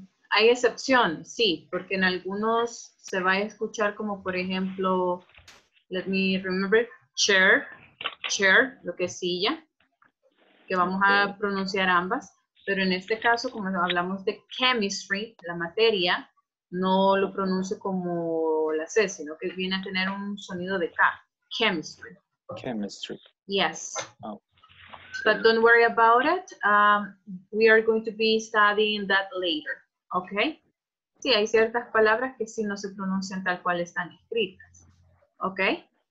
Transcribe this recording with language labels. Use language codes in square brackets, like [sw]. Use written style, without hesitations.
[es] Hay excepción, sí, porque en algunos se va a escuchar como por ejemplo, [en] let me remember, [es] chair, lo que es silla, que vamos a pronunciar ambas, pero en este caso, como hablamos de chemistry, la materia, no lo pronuncio como la C, sino que viene a tener un sonido de K, chemistry. [en] Chemistry. Yes. Oh. But don't worry about it. We are going to be studying that later, okay? [es] Sí, hay ciertas palabras que sí no se pronuncian tal cual están escritas, okay?